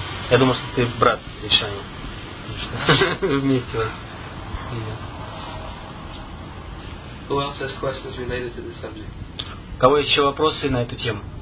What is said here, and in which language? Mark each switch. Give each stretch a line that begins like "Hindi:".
Russian: Я думал, что ты брат Ишани. Вместе.
English: Who else has questions related to the subject?
Russian: Кого еще вопросы на эту тему?